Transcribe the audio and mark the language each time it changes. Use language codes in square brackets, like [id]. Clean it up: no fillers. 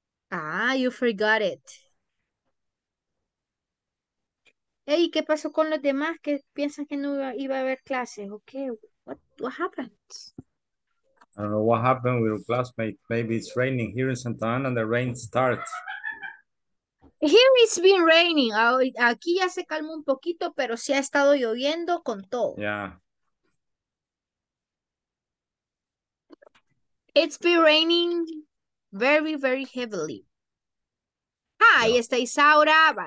[en] Ah, you forgot it. [es] Hey, ¿qué pasó con los demás que piensan que no iba a haber clases? [en] Okay, what happened? I don't know what happened with your classmate. Maybe it's raining here in Santa Ana and the rain starts. Here it's been raining. [es] Aquí ya se calmó un poquito, pero sí ha estado lloviendo con todo. [en] Yeah. It's been raining very, very heavily. [es] Ahí está Isaura.